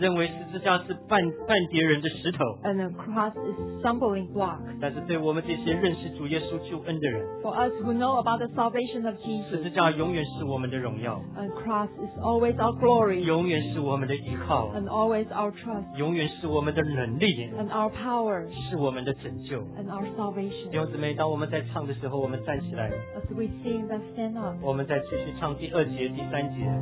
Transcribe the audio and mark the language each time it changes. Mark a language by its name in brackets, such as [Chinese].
[Chinese] 认为十字架是绊别人的石头。 [English] And the cross is stumbling block. [Chinese] 但是对我们这些认识主耶稣救恩的人。 [English] For us who know about the salvation of Jesus. [Chinese] 十字架永远是我们的荣耀。 [English] And cross is always our glory. [Chinese] 永远是我们的依靠。 [English] And always our trust. [Chinese] 永远是我们的能力。 [English] And our power. [Chinese] 是我们的拯救。 [English] And our salvation. [Chinese] 弟兄姊妹，当我们在唱的时候，我们站起来。 [English] As we sing, let's stand up. [Chinese] 我们在继续唱第二节、第三节。